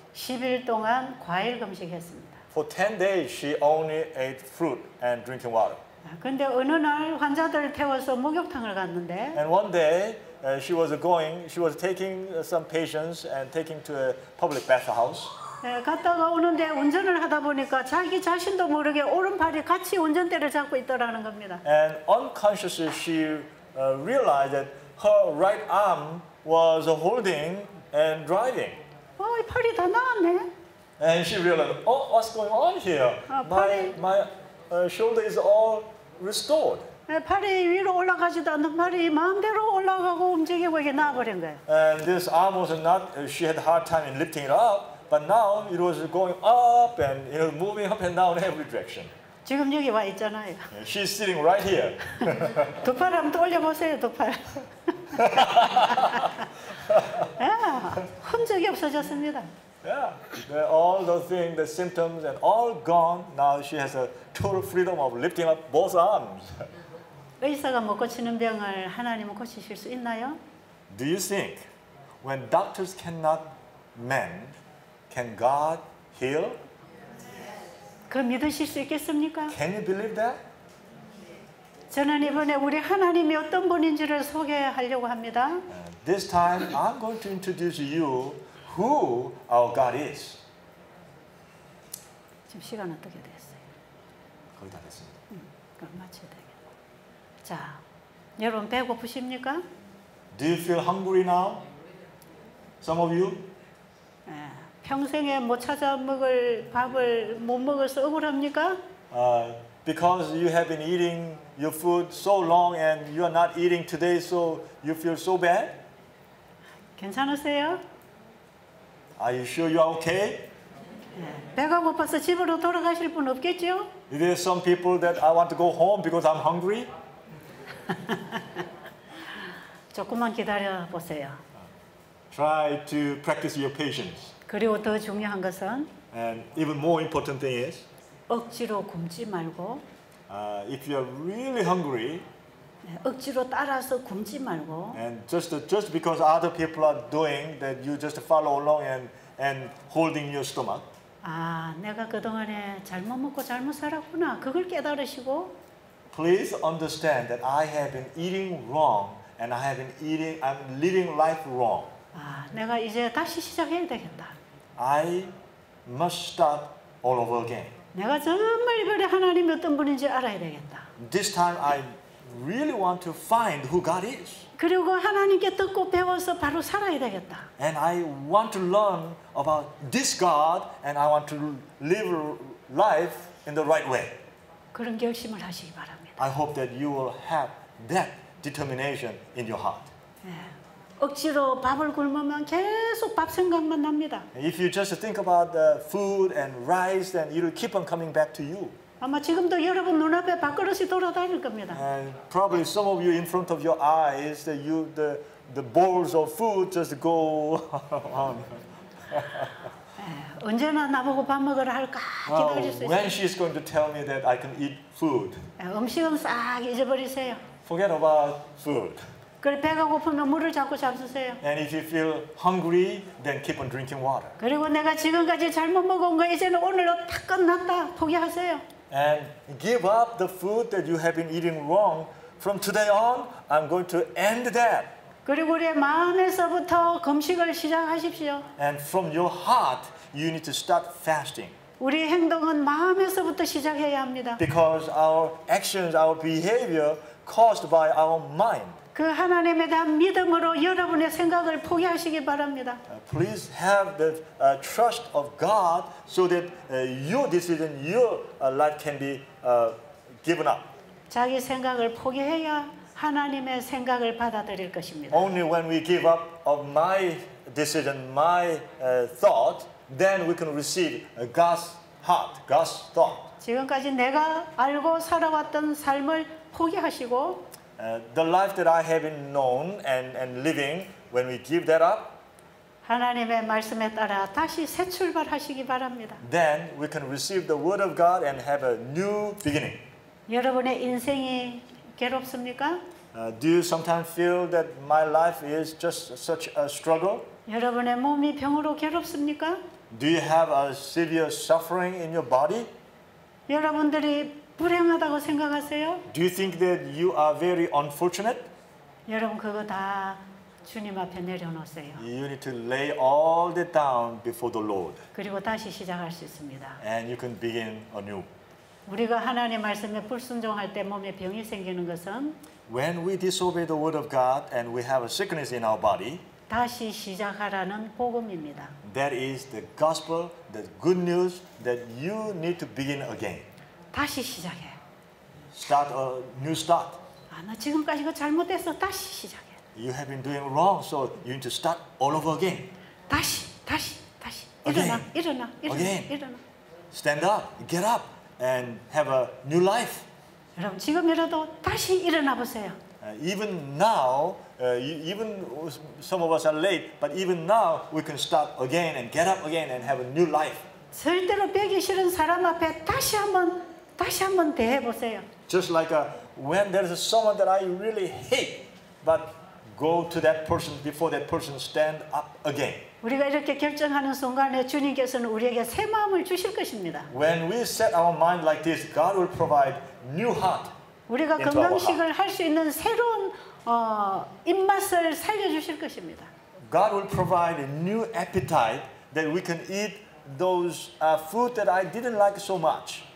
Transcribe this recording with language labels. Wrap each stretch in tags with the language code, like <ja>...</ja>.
<ko>10일 동안 과일 금식했습니다.</ko> <en>For 10 days, she only ate fruit and drinking water.</en> <ko>근데 어느 날 환자들을 태워서 목욕탕을 갔는데.</ko> <en>And one day. She was going. She was taking some patients and taking to a public bathhouse.</en> <ko>갔다가 오는데 운전을 하다 보니까 자기 자신도 모르게 오른팔이 같이 운전대를 잡고 있더라는 겁니다.</ko> <en>And unconsciously, she realized that her right arm was holding and driving.</en> <ko>이 팔이 다 나왔네.</ko> <en>And she realized, what's going on here?</en> <ko>팔이</ko> <en>my shoulder is all restored.</en> <ko>팔이 위로 올라가지도 않는 팔이 마음대로 올라가고 움직이고 이게 나아버린 거예요.</ko> <en>And this arm was not, she had a hard time in lifting it up, but now it was going up and it was moving up and down every direction.</en> <ko>지금 여기 와 있잖아요.</ko> <en>She's sitting right here.</en> <ko>두 팔 한번 올려보세요, 두 팔. 흔적이 없어졌습니다.</ko> <en>Yeah, all the things, the symptoms and all gone. Now she has a total freedom of lifting up both arms.</en> <ko>의사가 못 고치는 병을 하나님은 고치실 수 있나요?</ko> <en>Do you think when doctors cannot mend, can God heal?</en> <ko>그 믿으실 수 있겠습니까?</ko> <en>Can you believe that?</en> <ko>저는 이번에 우리 하나님이 어떤 분인지를 소개하려고 합니다.</ko> <en>This time I'm going to introduce you who our God is.</en> <ko>지금 시간 어떻게 됐어요? 거의 다 됐습니다. 그럼 마치 자, 여러분 배고프십니까?</ko> <en>Do you feel hungry now? Some of you?</en> <ko>평생에 못 찾아 먹을 밥을 못 먹어서 억울합니까?</ko> <en>Because you have been eating your food so long and you are not eating today, so you feel so bad?</en> <ko>괜찮으세요?</ko> <en>Are you sure you are okay?</en> <ko>배가 고파서 집으로 돌아가실 분 없겠죠?</ko> <en>Is there some people that I want to go home because I'm hungry?</en> <ko>조금만 기다려 보세요.</ko> <en>Try to practice your patience.</en> <ko>그리고 더 중요한 것은</ko> <en>And even more important thing is</en> <ko>억지로 굶지 말고</ko> <en>If you are really hungry</en> <ko>억지로 따라서 굶지 말고</ko> <en>And just because other people are doing that you just follow along and holding your stomach</en> <ko>아, 내가 그동안에 잘못 먹고 잘못 살았구나. 그걸 깨달으시고.</ko> <en>Please understand that I have been eating wrong and I have been eating I'm living life wrong.</en> <ko>아, 내가 이제 다시 시작해야 되겠다.</ko> <en>I must start all over again.</en> <ko>내가 정말 이번에 하나님이 어떤 분인지 알아야 되겠다.</ko> <en>This time I really want to find who God is.</en> <ko>그리고 하나님께 듣고 배워서 바로 살아야 되겠다.</ko> <en>And I want to learn about this God and I want to live life in the right way.</en> <ko>그런 결심을 하시기 바랍니다.</ko> <en>I hope that you will have that determination in your heart.</en> <ko>예. 억지로 밥을 굶으면 계속 밥 생각만 납니다.</ko> <en>If you just think about the food and rice then it will keep on coming back to you.</en> <ko>아마 지금도 여러분 눈앞에 밥그릇이 돌아다닐 겁니다.</ko> <en>And probably some of you in front of your eyes that you the bowls of food just go on.</en> <ko>언제나 나보고 밥 먹으러 할까 기다릴 수 있어요.</ko> <en>When she is going to tell me that I can eat food.</en> <ko>음식은 싹 잊어버리세요.</ko> <en>Forget about food.</en> <ko>그리고 배가 고프면 물을 자꾸 잡수세요.</ko> <en>And if you feel hungry, then keep on drinking water.</en> <ko>그리고 내가 지금까지 잘못 먹은 거 이제는 오늘로 다 끝났다 포기하세요.</ko> <en>And give up the food that you have been eating wrong. From today on, I'm going to end that.</en> <ko>그리고 우리의 마음에서부터 금식을 시작하십시오.</ko> <en>And from your heart, you need to start fasting.</en> <ko>우리의 행동은 마음에서부터 시작해야 합니다.</ko> <en>Because our actions, our behavior, caused by our mind.</en> <ko>그 하나님에 대한 믿음으로 여러분의 생각을 포기하시기 바랍니다.</ko> <en>Please have the trust of God so that your decision, your life can be given up.</en> <ko>자기 생각을 포기해야 하나님의 생각을 받아들일 것입니다.</ko> <en>Only when we give up of my decision, my thought, then we can receive God's heart, God's thought.</en> <ko>지금까지 내가 알고 살아왔던 삶을 포기하시고</ko> <en>The life that I have been known and living, when we give that up,</en> <ko>하나님의 말씀에 따라 다시 새 출발하시기 바랍니다.</ko> <en>Then we can receive the word of God and have a new beginning.</en> <ko>여러분의 인생이 괴롭습니까?</ko> <en>Do you sometimes feel that my life is just such a struggle?</en> <ko>여러분의 몸이 병으로 괴롭습니까?</ko> <en>Do you have a severe suffering in your body?</en> <ko>여러분들이 불행하다고 생각하세요?</ko> <en>Do you think that you are very unfortunate?</en> <ko>여러분 그거 다 주님 앞에 내려놓으세요.</ko> <en>You need to lay all that down before the Lord.</en> <ko>그리고 다시 시작할 수 있습니다.</ko> <en>And you can begin anew.</en> <ko>우리가 하나님의 말씀에 불순종할 때 몸에 병이 생기는 것은</ko> <en>When we disobey the word of God and we have a sickness in our body,</en> <ko>다시 시작하라는 복음입니다.</ko> <en>That is the gospel, the good news that you need to begin again.</en> <ko>다시 시작해.</ko> <en>Start a new start.</en> <ko>아, 나 지금까지 그 잘못했어. 다시 시작해.</ko> <en>You have been doing wrong, so you need to start all over again.</en> <ko>다시. 일어나,</ko> <en>again.</en> <ko>일어나.</ko> <en>Stand up, get up, and have a new life.</en> <ko>여러분 지금이라도 다시 일어나 보세요.</ko> <en>Even now, even some of us are late, but even now we can start again and get up again and have a new life.</en> <ko>절대로 빼기 싫은 사람 앞에 다시 한번 대해 보세요.</ko> <en>Just like when there is someone that I really hate, but go to that person before that person stand up again.</en> <ko>우리가 이렇게 결정하는 순간에 주님께서는 우리에게 새 마음을 주실 것입니다.</ko> <en>When we set our mind like this, God will provide new heart.</en> <ko>우리가 건강식을 할 수 있는 새로운 입맛을 살려 주실 것입니다.</ko> <en>God will provide a new appetite that we can eat those food that I didn't like so much.</en>